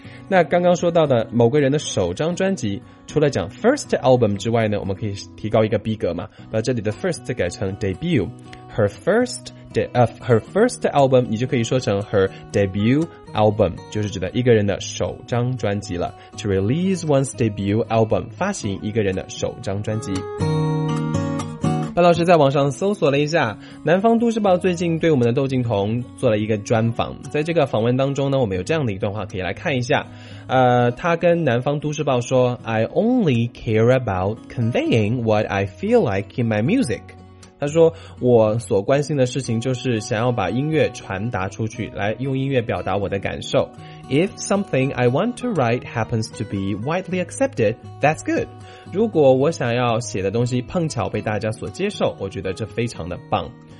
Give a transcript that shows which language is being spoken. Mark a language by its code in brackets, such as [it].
[zh] 那刚刚说到的某个人的首张专辑，除了讲 first album 之外呢，我们可以提高一个逼格嘛，把这里的 first 改成 debut, her first album, 你就可以说成 her debut album, 就是指的一个人的首张专辑了。 [en] To release one's debut album, [zh] 发行一个人的首张专辑。范老师在网上搜索了一下，南方都市报最近对我们的窦靖童做了一个专访。在这个访问当中呢，我们有这样的一段话可以来看一下。他跟南方都市报说 [en] I only care about conveying what I feel like in my music. [zh] 他说我所关心的事情就是想要把音乐传达出去，来用音乐表达我的感受。 [en] If something I want to write happens to be widely accepted, that's good. [zh] 如果我想要写的东西碰巧被大家所接受，我觉得这非常的棒。